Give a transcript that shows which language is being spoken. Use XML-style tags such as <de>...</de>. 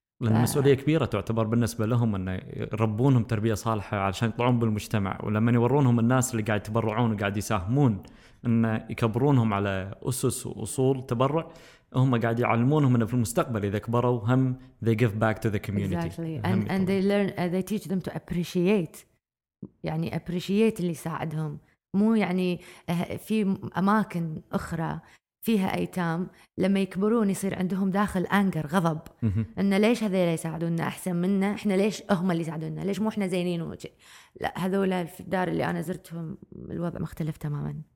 <ar>لأن المسؤولية كبيرة تعتبر بالنسبة لهم أن يربونهم تربية صالحة علشان يطلعون بالمجتمع، ولما يورونهم الناس اللي قاعد يتبرعون وقاعد يساهمون أن يكبرونهم على أسس وأصول تبرع، هم قاعد يعلمونهم أنه في المستقبل إذا كبروا هم</ar> <en>they give back to the community. Exactly. And they learn, they teach them to appreciate.</en> <ar>يعني appreciate اللي ساعدهم، مو يعني في أماكن أخرى فيها أيتام لما يكبرون يصير عندهم داخل أنجر غضب أن ليش هذي لا يساعدونا أحسن منا، إحنا ليش أهم اللي يساعدونا، ليش مو إحنا زينين وشي. لا، هذولا في الدار اللي أنا زرتهم الوضع مختلف تماما.</ar>